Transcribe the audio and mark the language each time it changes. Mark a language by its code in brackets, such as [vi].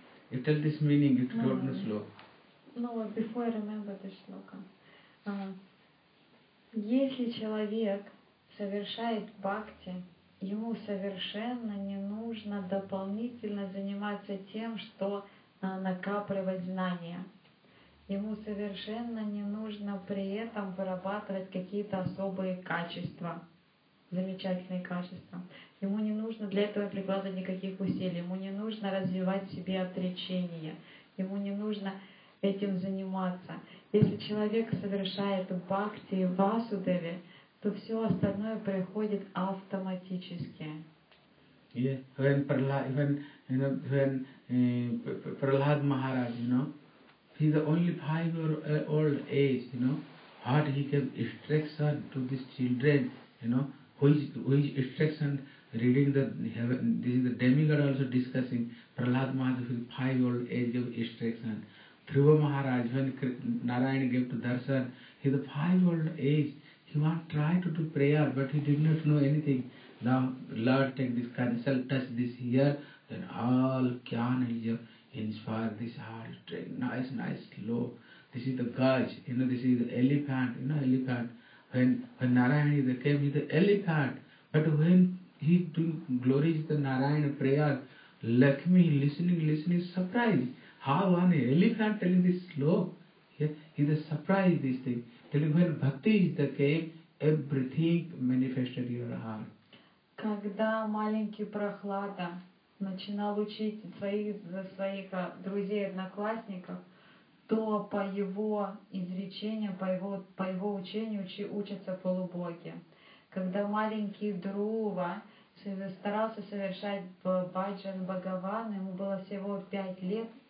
[en] You tell this meaning, you told the shloka. No, before I remember the shloka. [ru] Если человек совершает бхакти, ему совершенно не нужно дополнительно заниматься тем, что накапливать знания. Ему совершенно не нужно при этом вырабатывать какие-то особые качества, замечательные качества. Ему не нужно для этого прикладывать никаких усилий. Ему не нужно развивать в себе отречение. Ему не нужно этим заниматься. Если человек совершает бхакти в Васудеве, то все остальное приходит автоматически. [en] Yeah, when Prahlad Maharaj, you know, he's only 5-year-old age, you know, what he gave instruction to these children, you know, which instruction reading the heaven, this is the demigod also discussing, Prahlad Maharaj with 5-year-old age gave instruction. Dhruva Maharaj, when Narayana gave to Darshan, he is a 5-year-old age. He wants to try to do prayer, but he did not know anything. Now, Lord, take this counsel, touch this here, then all can inspire this heart. Nice, slow. This is the gaj, you know, this is the elephant, you know, elephant. When Narayana came, he is the elephant. But when he doing glory to the Narayana prayer, Lakshmi listening, surprised. How one elephant telling this slope? Yeah, he's a surprise this thing. Telling when bhakti is the came, everything manifested in your heart. [ru] Когда маленький Прохлада начинал учить своих друзей одноклассников, то по его изречению, по его учению учатся полубоги. Когда маленький Друва старался совершать баджан Бхагавана, ему было всего 5 лет.